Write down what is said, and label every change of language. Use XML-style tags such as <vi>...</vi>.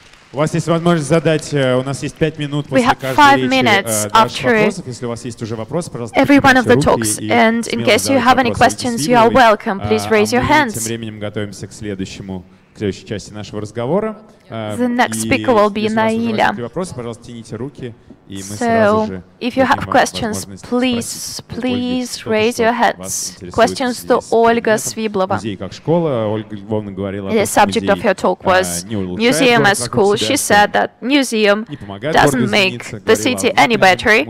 <ru>У вас есть возможность задать, у нас есть 5 минут после каждой речи ваших вопросов. Если у вас есть уже вопрос, пожалуйста, поднимите руки.</ru> <en>And in case you have any questions, you are welcome. Please raise your hands.</en> <ru>Мы тем временем готовимся к следующему. Следующей части нашего разговора.</ru> <en>The next speaker will be Naila.</en> <ru>Вопросы, пожалуйста, тяните руки, и мы</ru> <en>so, if you have questions, please raise your hands. Questions to Olga Sviblova. The subject of her talk was museum as school. She said that museum doesn't make the city any better.</en>